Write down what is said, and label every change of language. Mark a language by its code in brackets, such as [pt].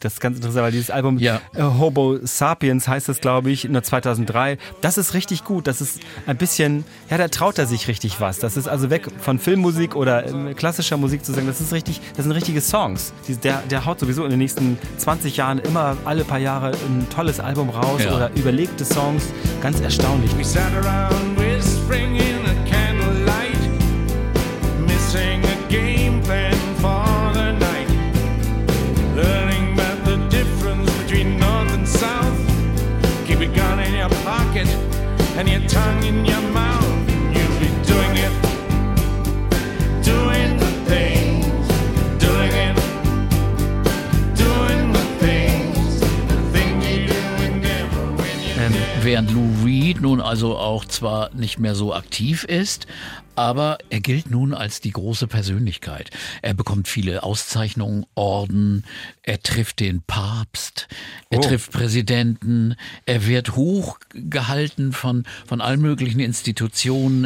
[de] Das ist ganz interessant, weil dieses Album Hobo Sapiens heißt das, glaube ich, 2003. Das ist richtig gut. Das ist ein bisschen, ja, da traut er sich richtig was. Das ist also weg von Filmmusik oder klassischer Musik zu sagen. Das sind richtige Songs. Der haut sowieso in den nächsten 20 Jahren immer alle paar Jahre ein tolles Album raus oder überlegte Songs. Ganz erstaunlich. [en] We sat around whispering in a candlelight, missing a game plan for the night, learning about the difference between north and south. Keep a gun in your pocket and your tongue in your mouth. You'll be doing it, doing the things, doing it, doing the things, the thing you do and never when you're dead. [de] Während Lou Reed nun also auch zwar nicht mehr so aktiv ist, Aber er gilt nun als die große Persönlichkeit. Er bekommt viele Auszeichnungen, Orden, er trifft den Papst, er trifft Präsidenten, er wird hochgehalten von allen möglichen Institutionen.